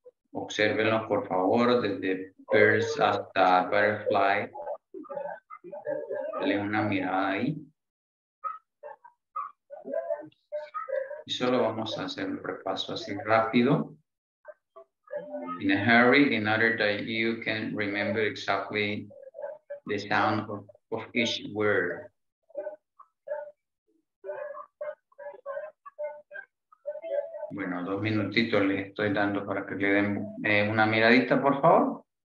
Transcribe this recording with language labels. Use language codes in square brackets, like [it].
[es] Obsérvenlos, por favor, desde Birds hasta Butterfly. Denle una mirada ahí. Y solo vamos a hacer un repaso así rápido. [en] In a hurry, in order that you can remember exactly the sound of each word. [es] Bueno, 2 minutitos les estoy dando para que le den una miradita, por favor.